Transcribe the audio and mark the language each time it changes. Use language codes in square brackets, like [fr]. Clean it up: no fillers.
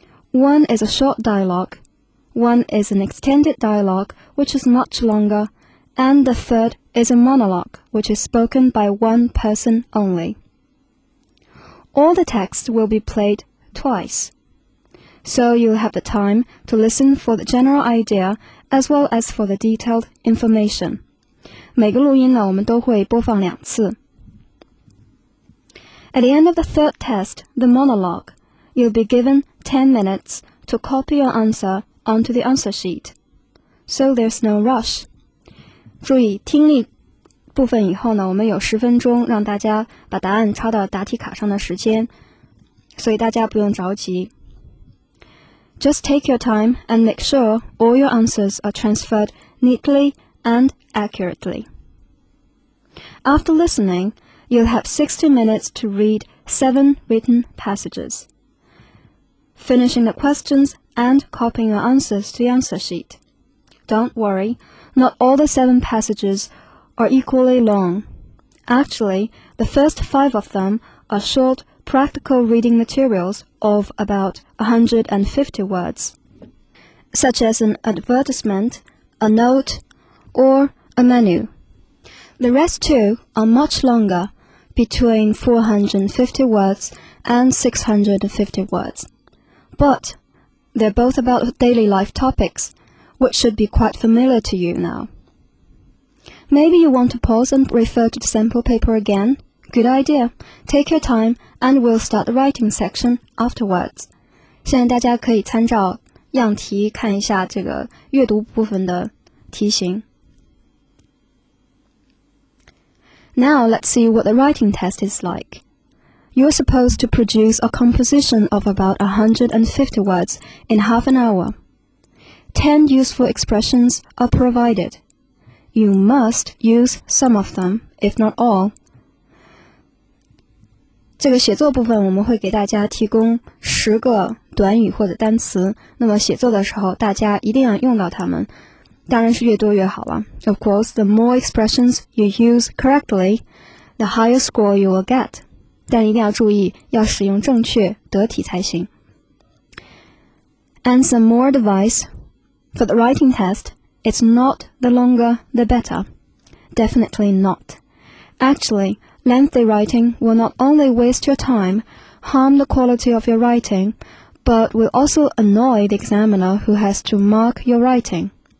[en] One is a short dialogue,One is an extended dialogue, which is much longer, and the third is a monologue, which is spoken by one person only. All the texts will be played twice, so you'll have the time to listen for the general idea as well as for the detailed information. [zh] 每个录音呢，我们都会播放两次。 [en] At the end of the third test, the monologue, you'll be given 10 minutes to copy your answer onto the answer sheet. So there's no rush. [zh] 注意听力部分以后呢，我们有十分钟让大家把答案抄到答题卡上的时间，所以大家不用着急。 [en] Just take your time and make sure all your answers are transferred neatly and accurately. After listening, you'll have 60 minutes to read 7 written passages, finishing the questions and copying your answers to the answer sheet. Don't worry, not all the 7 passages are equally long. Actually, the first 5 of them are short practical reading materials of about 150 words, such as an advertisement, a note, or a menu. The rest 2 are much longer, between 450 words and 650 words. But they're both about daily life topics, which should be quite familiar to you now. Maybe you want to pause and refer to the sample paper again? Good idea. Take your time and we'll start the writing section afterwards. [zh] 现在大家可以参照样题看一下这个阅读部分的题型。 [en] Now let's see what the writing test is like. You're supposed to produce a composition of about 150 words in half an hour. 10 useful expressions are provided. You must use some of them, if not all. [zh] 这个写作部分我们会给大家提供十个短语或者单词，那么写作的时候大家一定要用到它们。当然是越多越好了。 [en] Of course, the more expressions you use correctly, the higher score you will get. [zh] 但一定要注意，要使用正确、得体才行。 [en] And some more advice for the writing test, it's not the longer the better. Definitely not. Actually, lengthy writing will not only waste your time, harm the quality of your writing, but will also annoy the examiner who has to mark your writing.